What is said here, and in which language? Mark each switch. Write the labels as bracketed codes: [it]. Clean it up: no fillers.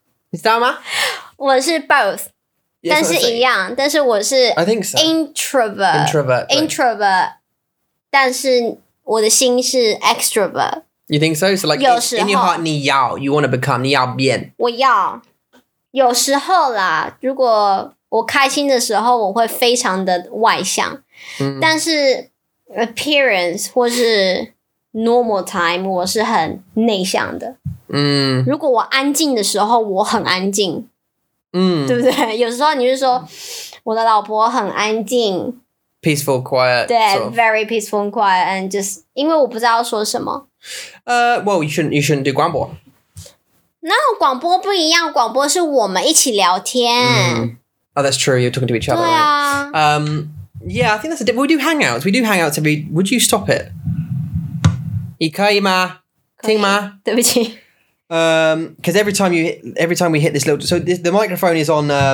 [zh] 你知道吗？我是 [en] both, yes, [zh] 但是一样。但是我是 [en] I think so. Introvert, introvert, [zh] introvert. 但是我的心是 extrovert. [en] You think so? So like in your heart, [zh] 你要, [en] you want to become, [zh] 你要变. 我要. 有时候啦, 如果我开心的时候, 我会非常的外向. 嗯。但是 appearance 或是 [en] normal time, [zh] 我是很内向的. 嗯。如果我安静的时候, 我很安静. 嗯。对不对? 有时候你就说, 我的老婆很安静。 [en] Peaceful, quiet. [zh] 对, [en] sort of. Very peaceful and quiet. And just, [zh] 因为我不知道说什么。 [en] Well, you shouldn't do 广播. [zh] No, 广播不一样, 广播是我们一起聊天. Mm. [en] Oh, that's true, you're talking to each other, right? Yeah, I think that's a difference. We do hangouts. Would you stop it? [zh] 你可以吗?听吗? 对不起. [en] Because every time we hit this little... So the microphone is on...